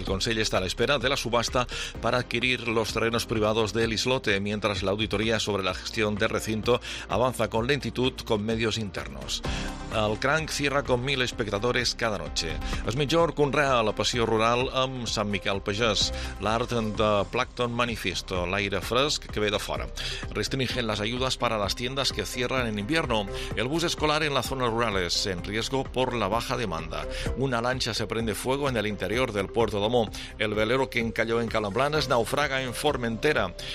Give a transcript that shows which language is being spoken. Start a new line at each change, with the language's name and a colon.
Spanish: El Consell está a la espera de la subasta para adquirir los terrenos privados del islote, mientras la auditoría sobre la gestión del recinto avanza con lentitud con medios internos. El Cranc cierra con 1.000 espectadores cada noche.
Catalan: Es millor conrea la passió rural amb Sant Miquel Pagès. L'art de Plankton Manifiesto, l'aire fresc que ve de fora.
Spanish: Restringen las ayudas para las tiendas que cierran en invierno. El bus escolar en las zonas rurales en riesgo por la baja demanda. Una lancha se prende fuego en el interior del puerto de Mo. El velero que encalló en Calamblanes naufraga en Formentera.